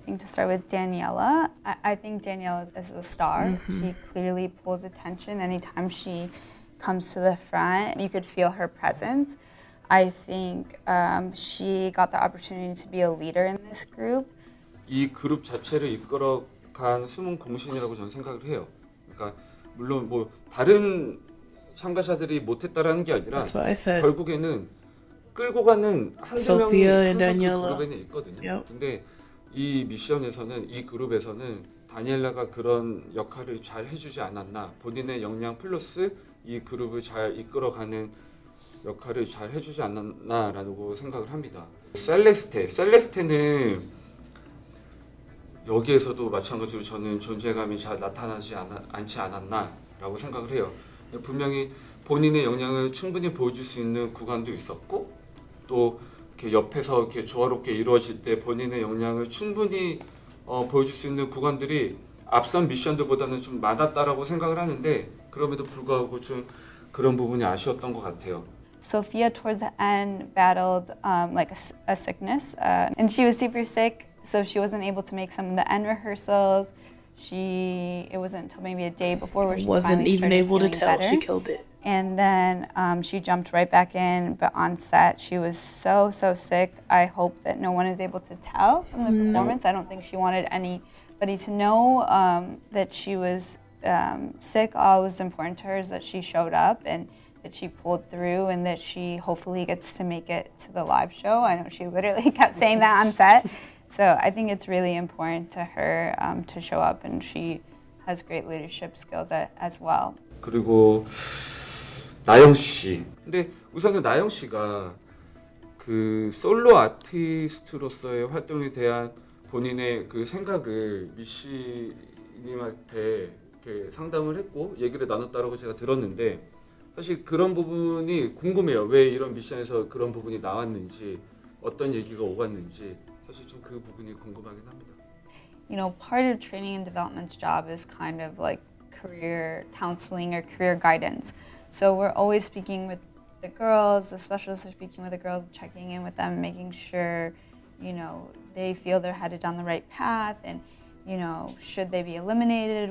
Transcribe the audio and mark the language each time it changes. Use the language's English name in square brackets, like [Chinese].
[English] I think to start with Daniela, I think Daniela is a star. Mm-hmm. She clearly pulls attention anytime she comes to the front. You could feel her presence. I think she got the opportunity to be a leader in this group. [Korean] 이 그룹 자체를 이끌어간 숨은 공신이라고 저는 생각을 해요. 그러니까 물론 뭐 다른 참가자들이 못했다라는 게 아니라 결국에는 끌고 가는 한두 명이 항상 그 그룹에는 있거든요. [English] Yep. [Korean] 근데 이 미션에서는 이 그룹에서는 다니엘라가 그런 역할을 잘 해주지 않았나 본인의 역량 플러스 이 그룹을 잘 이끌어가는 역할을 잘 해주지 않았나라고 생각을 합니다. 셀레스테는 여기에서도 마찬가지로 저는 존재감이 잘 나타나지 않지 않았나라고 생각을 해요. 분명히 본인의 역량을 충분히 보여줄 수 있는 구간도 있었고 또 이렇게 옆에서 이렇게 조화롭게 이루어질 때 본인의 역량을 충분히 보여줄 수 있는 구간들이 앞선 미션들보다는 좀 많았다라고 생각을 하는데 그럼에도 불구하고 좀 그런 부분이 아쉬웠던 것 같아요. [English] Sophia towards the end battled like a sickness and she was super sick. So she wasn't able to make some of the end rehearsals. It wasn't until maybe a day before where she wasn't even able to tell better. She killed it. And then she jumped right back in, but on set she was so sick. I hope that no one is able to tell from the performance. I don't think she wanted anybody to know that she was sick. All that was important to her is that she showed up and that she pulled through and that she hopefully gets to make it to the live show. I know she literally kept saying that on set. So I think it's really important to her to show up, and she has great leadership skills as well. [Korean] 그리고 나영 씨. 근데 우선은 나영 씨가 그 솔로 아티스트로서의 활동에 대한 본인의 그 생각을 미 씨님한테 이렇게 상담을 했고 얘기를 나눴다라고 제가 들었는데 사실 그런 부분이 궁금해요. 왜 이런 미션에서 그런 부분이 나왔는지 어떤 얘기가 오갔는지. 사실 좀 그 부분이 궁금하긴 합니다. [English] You know, part of training and development's job is kind of like career counseling or career guidance. So we're always speaking with the girls, the specialists are speaking with the girls, checking in with them, making sure, you know, they feel they're headed down the right path and, you know, should they be eliminated?